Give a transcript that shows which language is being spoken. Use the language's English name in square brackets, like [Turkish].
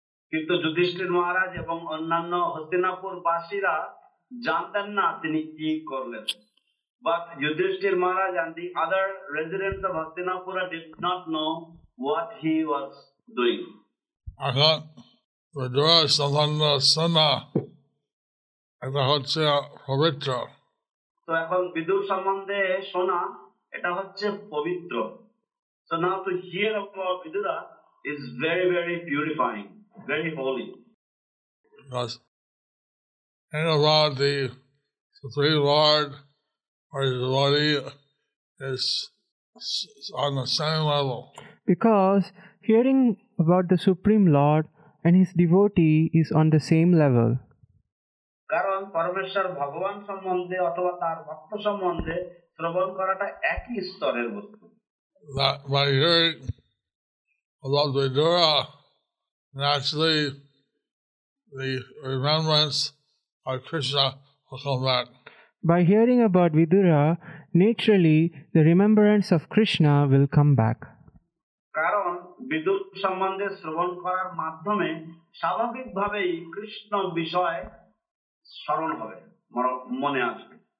[Bangla] কিন্তু যুধিষ্ঠির মহারাজ এবং অন্যান্য হস্তিনাপুর বাসীরা জানতেন না তিনি কি করলেন. [English] But Yudhishthir Maharaj and the other residents of Hastinapura did not know what he was doing. [Bangla] এখন Vidura Sambandha Sana এটা হচ্ছে পবিত্র. তো এখন বিদুর সম্বন্ধে সোনা এটা হচ্ছে পবিত্র. [English] So now to hear about Vidura is very, very purifying, very holy. Because think about the Supreme Lord or His body is on the same level. Because hearing about the Supreme Lord and His devotee is on the same level. [Bangla] কারণ পরমেশ্বর ভগবান সম্বন্ধে অথবা তার ভক্ত সম্বন্ধে শ্রবণ করাটা একই স্তরের বস্তু. [English] By hearing about Vidura, naturally the remembrance of Krishna will come back. By hearing about Vidura, naturally the remembrance of Krishna will come back. [Bangla] কারণ বিদুর সম্বন্ধে শ্রবণ করার মাধ্যমে স্বাভাবিকভাবেই কৃষ্ণ বিষয় স্মরণ হবে, মনে আসবে.